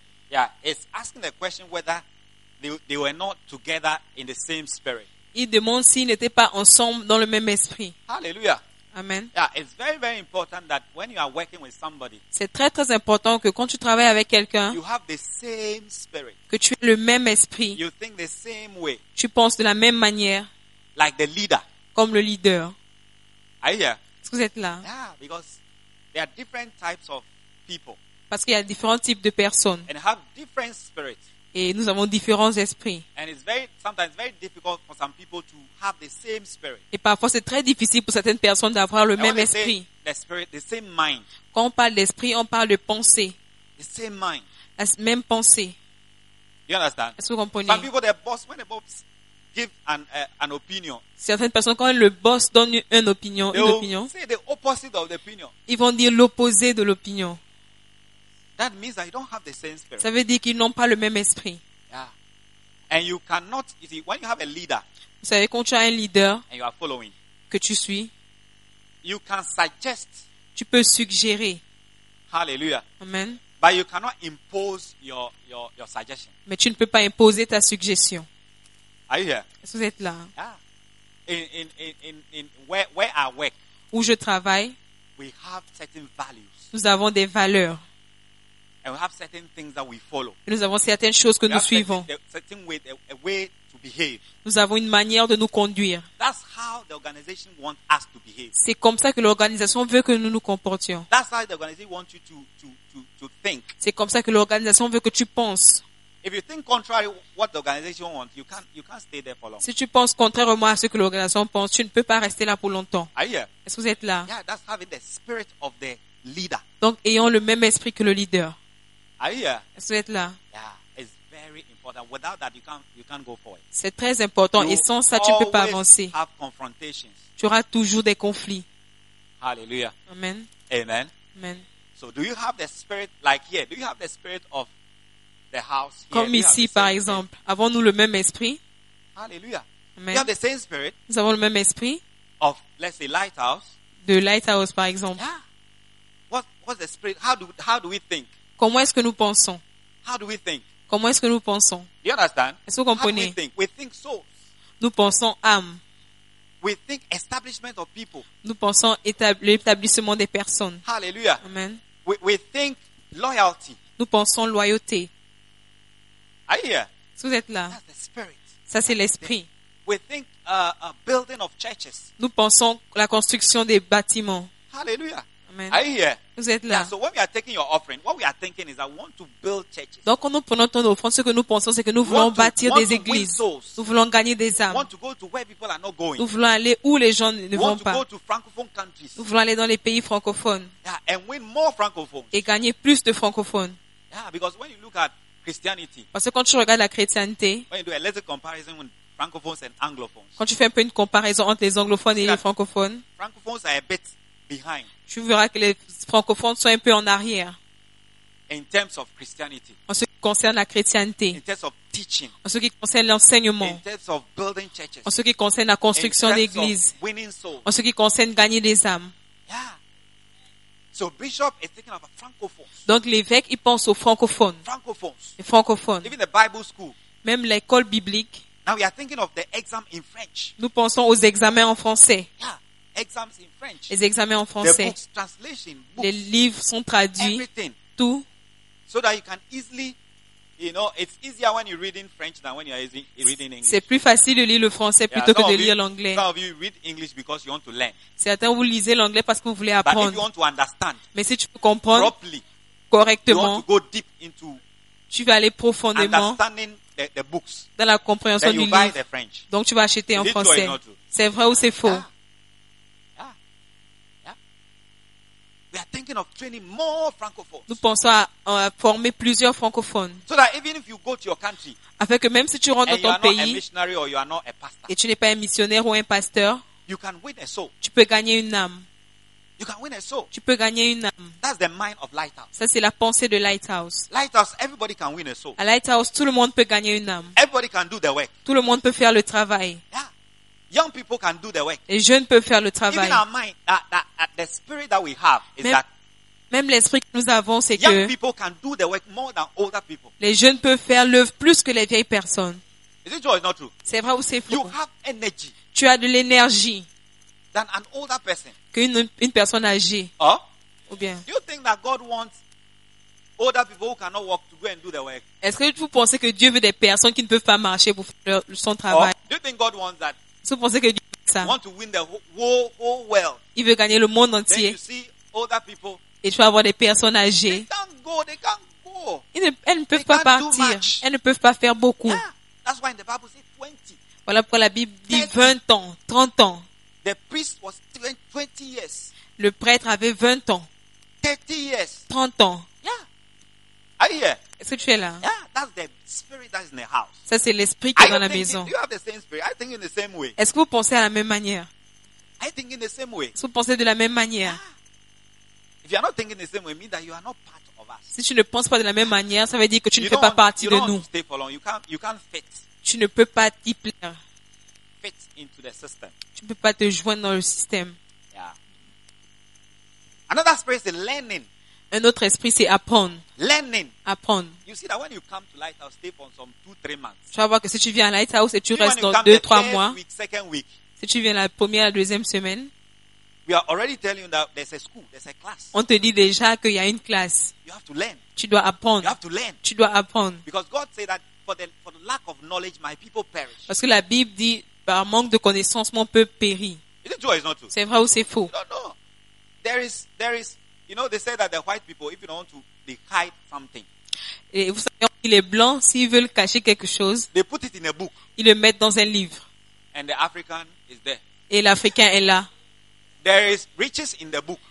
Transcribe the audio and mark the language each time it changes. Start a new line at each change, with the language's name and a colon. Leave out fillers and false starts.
English: Yeah, it's asking the question whether they were not together in the same spirit.
French: Il demande s'ils n'étaient pas ensemble dans le même esprit.
English: Hallelujah. Amen. Yeah, it's very very important that when you are working with somebody.
French: C'est très très important que quand tu travailles avec quelqu'un,
English: you have the same spirit.
French: Que tu aies le même esprit.
English: You think the same way.
French: Tu penses de la même manière.
English: Like the leader.
French: Comme le leader.
English: Are you here?
French: Est-ce que vous êtes là?
English: Yeah, because there are different types of people.
French: Parce qu'il y a différents types de personnes.
English: And have different spirits.
French: Et nous avons différents esprits.
English: And it's very sometimes very difficult for some people to have the same spirit.
French: Et parfois c'est très difficile pour certaines personnes d'avoir le
English: and
French: même esprit.
English: The spirit, the same mind.
French: Quand on parle d'esprit, on parle de pensée.
English: The same mind.
French: La même pensée.
English: You understand?
French: Est-ce que vous comprenez?
English: Some people, their boss, when the boss give an opinion.
French: Certaines personnes, quand le boss donne une opinion,
English: say the opposite of the opinion.
French: Ils vont dire l'opposé de l'opinion.
English: That means that you don't have the same spirit.
French: Ça veut dire qu'ils n'ont pas le même esprit.
English: Yeah. And you cannot, you see, when you have a leader,
French: vous savez, quand tu as un leader
English: and you are following,
French: que tu suis,
English: you can suggest,
French: tu peux suggérer.
English: Hallelujah. Amen. But you cannot impose your suggestion.
French: Mais tu ne peux pas imposer ta suggestion.
English: Are you here?
French: Est-ce que vous êtes là?
English: Yeah. In where I work,
French: où je travaille,
English: we have certain values.
French: Nous avons des valeurs.
English: And we have certain things that we follow.
French: Et nous avons certaines choses que
English: we
French: nous suivons.
English: Certain way to behave.
French: Nous avons une manière de nous conduire.
English: That's how the organization wants us to behave.
French: C'est comme ça que l'organisation veut que nous nous comportions.
English: That's how the organization wants you to think.
French: C'est comme ça que l'organisation veut que tu penses.
English: If you think contrary what the organization wants, you can't stay there for long.
French: Si tu penses contrairement à ce que l'organisation pense, tu ne peux pas rester là pour longtemps.
English: Are you here?
French: Est-ce que vous êtes là?
English: Yeah, that's having the spirit of the leader.
French: Donc ayant le même esprit que le leader.
English: Are you here?
French: Est-ce que vous êtes là?
English: Yeah, it's very important. Without that, you can't go forward.
French: C'est très important.
English: You
French: et sans ça, tu ne peux pas avancer.
English: Have confrontations.
French: Tu auras toujours des conflits.
English: Hallelujah. Amen. Amen. Amen. So, do you have the spirit like here? Do you have the spirit of the house here?
French: Comme ici, par exemple, avons-nous le même esprit?
English: Hallelujah. Amen. You have the same spirit.
French: Nous avons le même esprit.
English: Of, let's say, lighthouse.
French: De lighthouse, par exemple.
English: Yeah. What's the spirit? How do we think?
French: Comment est-ce que nous pensons?
English: How do we think?
French: Comment est-ce que nous pensons?
English: Do you understand?
French: Est-ce que vous comprenez?
English: How do we think souls.
French: Nous pensons âme.
English: We think establishment of people.
French: Nous pensons l'établissement des personnes.
English: Hallelujah. Amen. We think loyalty.
French: Nous pensons loyauté.
English: Are you here?
French: Si vous êtes là.
English: That's the spirit.
French: Ça c'est l'esprit.
English: We think a building of churches.
French: Nous pensons la construction des bâtiments.
English: Hallelujah. Amen. Are you here?
French: Vous êtes là.
English: Yeah, so when we are taking your offering, what we are thinking is I want to build churches.
French: Donc quand nous prenons ton offrande, ce que nous pensons, c'est que nous voulons bâtir des églises. Nous voulons gagner des âmes.
English: Want to go to where people are not going.
French: Nous voulons aller où les gens ne vont pas.
English: Want to go to francophone countries.
French: Nous voulons aller dans les pays francophones.
English: Yeah, and win more francophones.
French: Et gagner plus de francophones.
English: Yeah, because when you look at Christianity.
French: Parce que quand tu regardes la chrétienté.
English: When you do a little comparison with francophones and anglophones.
French: Quand tu fais un peu une comparaison entre les anglophones et les francophones.
English: Francophones are a bit behind.
French: Tu verras que les francophones sont un peu en arrière.
English: In terms of Christianity.
French: En ce qui concerne la chrétienté.
English: In terms of teaching.
French: En ce qui concerne l'enseignement.
English: In terms of building churches.
French: En ce qui concerne la construction d'églises.
English: In terms of winning souls.
French: En ce qui concerne gagner des âmes.
English: Yeah. So bishop is thinking about francophones.
French: Donc l'évêque il pense aux francophones.
English: Francophones.
French: Les francophones.
English: Even the Bible school.
French: Même l'école biblique.
English: Now we are thinking of the exam in French.
French: Nous pensons aux examens en français.
English: Yeah. Exams in French.
French: Les examens en français.
English: The books, translation, books,
French: les livres sont traduits.
English: Everything.
French: Tout.
English: So that you can easily, you know, it's easier when you're reading French than when you're reading English.
French: C'est plus facile de lire le français plutôt que de lire l'anglais.
English: Some of you read English because you want to learn.
French: Certains vous lisez l'anglais parce que vous voulez apprendre.
English: But if you want to understand,
French: mais si tu peux comprendre
English: properly,
French: correctement,
English: you want to go deep into,
French: tu vas aller profondément
English: understanding the books,
French: dans la compréhension
English: then
French: du livre.
English: You buy the French.
French: Donc tu vas acheter
English: is
French: en français.
English: True or not true?
French: C'est vrai ou c'est faux?
English: Yeah. We are thinking of training more francophones.
French: Nous pensons à former plusieurs francophones.
English: So that even if you go to your country,
French: afin que même si tu rentres dans ton pays,
English: a missionary or you are not a pastor,
French: et tu n'es pas un missionnaire ou un pasteur,
English: you can win a soul.
French: Tu peux gagner une âme.
English: You can win a soul.
French: Tu peux gagner une âme.
English: That's the mind of Lighthouse.
French: Ça c'est la pensée de Lighthouse.
English: Lighthouse, everybody can win a soul.
French: À Lighthouse, tout le monde peut gagner une âme.
English: Everybody can do the work.
French: Tout le monde peut faire le travail.
English: Yeah. Young people can do the work.
French: Les jeunes peuvent faire le travail.
English: Even our mind, that the spirit that we have is
French: même,
English: that.
French: Même l'esprit que nous avons, c'est
English: young
French: que.
English: Young people can do the work more than older people.
French: Les jeunes peuvent faire l'œuvre plus que les vieilles personnes.
English: Is it true or is not true?
French: C'est vrai ou c'est faux?
English: You have energy.
French: Tu as de l'énergie.
English: Than an older person.
French: Qu'une personne âgée. Oh. Ou bien.
English: Do you think that God wants older people who cannot walk to go and do the work?
French: Est-ce que vous pensez que Dieu veut des personnes qui ne peuvent pas marcher pour faire son travail?
English: Oh. Do you think God wants that?
French: Si vous pensez que Dieu veut ça,
English: want to win the whole world,
French: il veut gagner le monde entier.
English: You see older people,
French: et tu vas avoir des personnes âgées.
English: They can't go, they can't go.
French: Elles ne peuvent pas partir. Elles ne peuvent pas faire beaucoup.
English: Yeah, that's why in the Bible says 20.
French: Voilà pourquoi la Bible dit 20 ans, 30 ans.
English: The priest was 20 years.
French: Le prêtre avait 20 ans.
English: 30 years.
French: 30 ans.
English: Yeah. Are you here?
French: Est-ce que tu es là?
English: Yeah, that's the spirit that is in the house. Ça, c'est l'esprit qui est dans la maison. You have the same spirit. I think in the same way.
French: Est-ce que vous pensez à la même manière?
English: I think in the same way.
French: Est-ce que vous pensez de la même manière? Ah.
English: If you are not thinking the same way, it means that you are not part of us.
French: Si tu ne penses pas de la même manière, ça veut dire que tu ne fais pas partie de nous.
English: Stay for long. You can't fit.
French: Tu ne peux pas y plaire.
English: Fit into the system.
French: Tu ne peux pas te joindre dans le système.
English: Yeah. Another spirit is learning.
French: Un autre esprit, c'est apprendre.
English: Learning.
French: Apprendre.
English: You see that when you come to Lighthouse, stay for some 2-3 months.
French: Tu vas voir que si tu viens à Lighthouse et tu restes dans 2-3 mois,
English: week, second week,
French: si tu viens la première, la deuxième semaine,
English: we are already telling you that there's a school, there's a class.
French: On te dit déjà qu'il y a une classe.
English: You have to learn.
French: Tu dois apprendre.
English: You have to learn.
French: Tu dois apprendre.
English: Because God said that for the lack of knowledge, my people perish.
French: Parce que la Bible dit, par manque de connaissance, mon peuple périt.
English: Is it true or is it not true?
French: C'est vrai ou c'est faux?
English: No, no. There is. You know, they say that the white people, if you don't want to, they hide something.
French: Et vous savez, les blancs, s'ils veulent cacher quelque chose,
English: they put it in a book.
French: Ils le mettent dans un livre.
English: And the African is there.
French: Et l'Africain est là.
English: There is riches in the book.